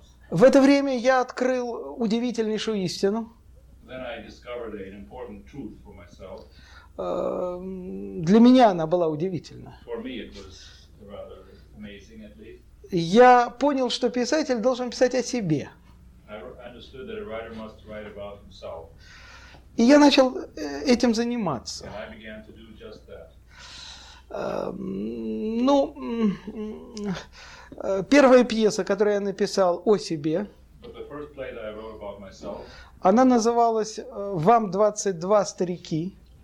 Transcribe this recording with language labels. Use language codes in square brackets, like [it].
[ru] В это время я открыл удивительнейшую истину. Для меня она была удивительна. [en] For me it was rather amazing, at least. [ru] Я понял, что писатель должен писать о себе. [en] I understood that a writer must write about himself. [ru] И я начал этим заниматься. [en] And I began to do just that. [ru] Ну, первая пьеса, которую я написал о себе, [en] but the first play that I wrote about myself, [ru] она называлась «Вам 22, старики».